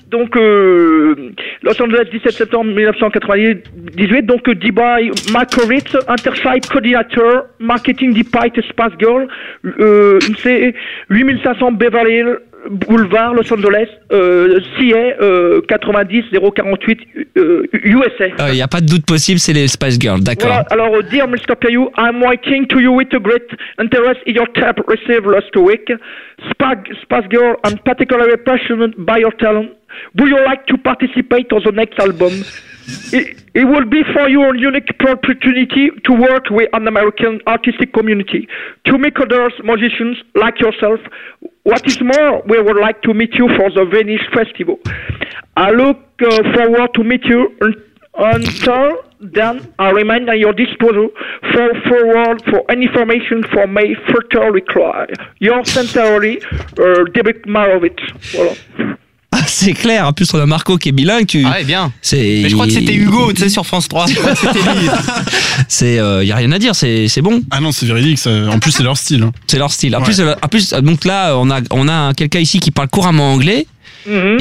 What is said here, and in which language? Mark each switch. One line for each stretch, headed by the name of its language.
French: Donc, Los Angeles, 17 septembre 1998, donc Dubai, Makowitz, Intersite Coordinator, Marketing Department, Spice Girl, c'est 8500 Beverly Hills Boulevard, Los Angeles, CA 90048 USA. Il n'y a pas de doute possible, c'est les Spice Girls, d'accord. Voilà, alors,
English: dear Mr. Caillou, I'm writing to you with a great interest in your tab received last week. Spice Girl, I'm particularly passionate by your talent. Would you like to participate on the next album? It will be for you a unique opportunity to work with an American artistic community, to meet others, musicians like yourself. What is more, we would like to meet you for the Venice Festival. I look forward to meet you. Until then, I remain at your disposal for forward for any information for my future require. Yours sincerely, Derek Marovitz. Voilà.
French: C'est clair, en plus on a Marco qui est bilingue. Tu... Ah ouais, bien. C'est... Mais je crois que c'était Hugo, tu sais, sur France 3. Je crois que c'était lui. C'est, y a rien à dire, c'est bon. Ah non, c'est véridique. C'est... En plus, c'est leur style. C'est leur style. Ouais. En plus, donc là, on a quelqu'un ici qui parle couramment anglais. Mm-hmm.